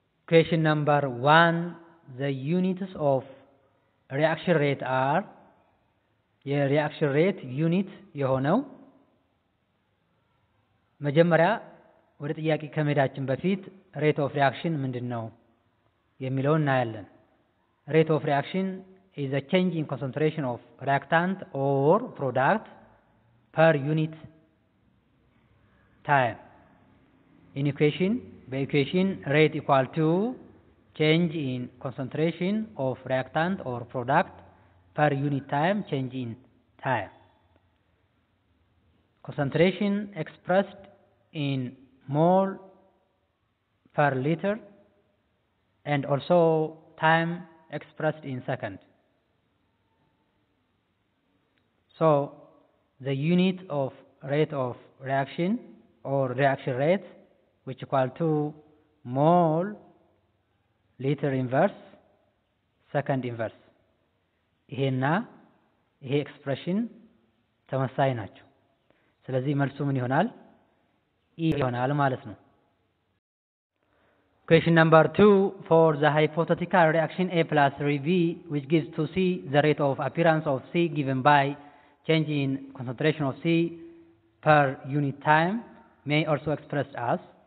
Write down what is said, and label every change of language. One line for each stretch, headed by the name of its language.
English: ኩዌሽን ነምበር 1 ዘ ዩኒትስ ኦፍ ሪአክሽን ሬት አር፣
Amharic: የሪአክሽን ሬት ዩኒት የሆነው መጀመሪያ ወደ ጥያቄ ከመሄዳችን በፊት
English: ሬት ኦፍ ሪአክሽን
Amharic: ምንድን ነው የሚለው እናያለን።
English: ሬት ኦፍ ሪአክሽን is the change in concentration of reactant or product per unit time. In equation, by equation, rate equal to change in concentration of reactant or product per unit time, change in time. Concentration expressed in mole per liter, and also time expressed in second. So the unit of rate of reaction or reaction rate, which equal to mole liter inverse second inverse.
Amharic: ይሄና ይሄ ኤክስፕሬሽን ተመሳሳይ ናቸው። ስለዚህ መልሱ ምን ይሆናል? ይሆናል ማለት ነው።
English: Question number 2, for the hypothetical reaction A plus Rv, which gives to C the rate of appearance of C given by change in concentration of C per unit time, may also expressed as.